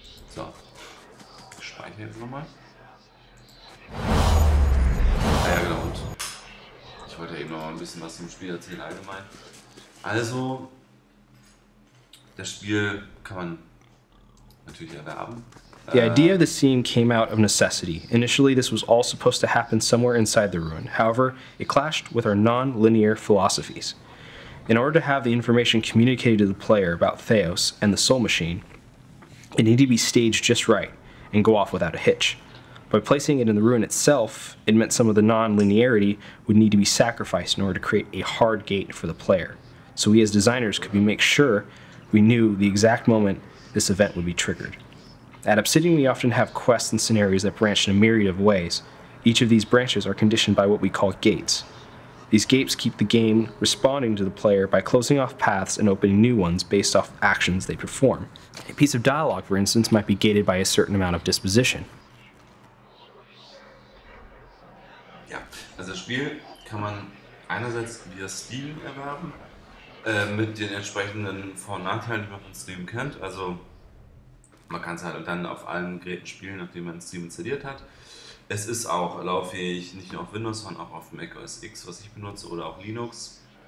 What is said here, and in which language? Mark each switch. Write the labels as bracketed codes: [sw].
[de] So, ich speichere jetzt nochmal. Ah ja, genau. Und ich wollte ja eben noch mal ein bisschen was zum Spiel erzählen allgemein. Also, das Spiel kann man natürlich erwerben. [en] The idea of the scene came out of necessity. Initially, this was all supposed to happen somewhere inside the ruin. However, it clashed with our non-linear philosophies. In order to have the information communicated to the player about Theos and the Soul Machine, it needed to be staged just right and go off without a hitch. By placing it in the ruin itself, it meant some of the non-linearity would need to be sacrificed in order to create a hard gate for the player, so we as designers could make sure we knew the exact moment this event would be triggered. At Obsidian, we often have quests and scenarios that branch in a myriad of ways. Each of these branches are conditioned by what we call gates. These gates keep the game responding to the player by closing off paths and opening new ones based off actions they perform. A piece of dialogue, for instance, might be gated by a certain amount of disposition. [de] Ja, also das Spiel kann man einerseits via Steam erwerben, mit den entsprechenden Vor- und Nachteilen, die man von Steam kennt. Also man kann es halt dann auf allen Geräten spielen, nachdem man Steam installiert hat. Es ist auch lauffähig, nicht nur auf Windows, sondern auch auf Mac OS X, was ich benutze, oder auch Linux.